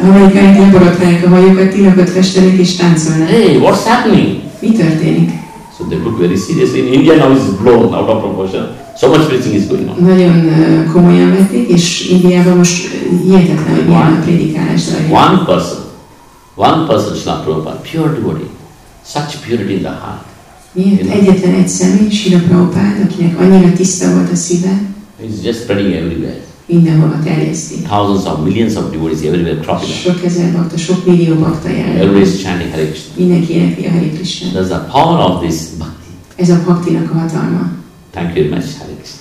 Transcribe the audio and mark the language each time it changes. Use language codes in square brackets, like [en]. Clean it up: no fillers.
[hu] Az amerikaiak nem borotválják a hajókat, tilakot festenek és táncolnak. [en] Hey, what's happening? [hu] Mi történik? [en] So they look very seriously. In India now it's blown out of proportion. So much preaching is going on. [hu] Nagyon komolyan vették, és Indiában most hihetetlen, hogy milyen a prédikálás [en] zajlik. One person, Srila Prabhupada, pure devotee. Such purity in the heart. [hu] Miért? Egyetlen egy személy, Srila Prabhupada, akinek annyira tiszta volt a szíve. [en] He's just spreading everywhere. [hu] Mindenhova terjeszti. [en] Thousands of millions of devotees everywhere cropping up. [hu] Sok ezer bakta, sok millió bakta jelen. [en] Everybody is chanting Hare Krishna. [hu] Mindenki énekli a Hare Krishna. [en] There's a power of this bhakti. [hu] Ez a bhaktinak a hatalma. [en] Thank you very much, Hare Krishna.